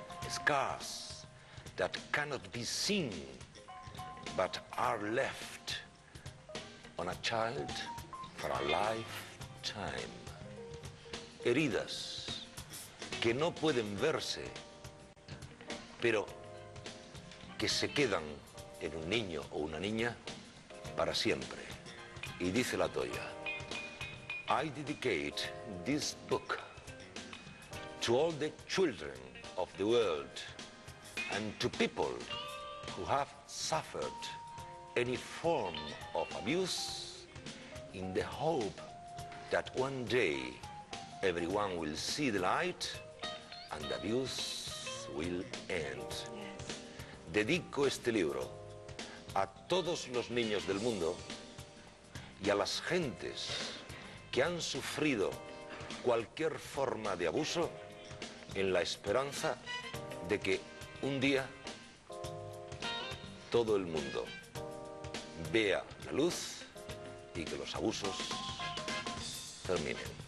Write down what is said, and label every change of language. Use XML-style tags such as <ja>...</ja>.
<en>Scars that cannot be seen, but are left on a child for a lifetime.</en> <es>Heridas que no pueden verse, pero que se quedan en un niño o una niña para siempre. Y dice la Toya,</es> <en>I dedicate this book to all the children of the world, and to people who have suffered any form of abuse, in the hope that one day everyone will see the light and the abuse will end. Yes.</en> <es>Dedico este libro a todos los niños del mundo y a las gentes que han sufrido cualquier forma de abuso, en la esperanza de que un día todo el mundo vea la luz y que los abusos terminen.</es>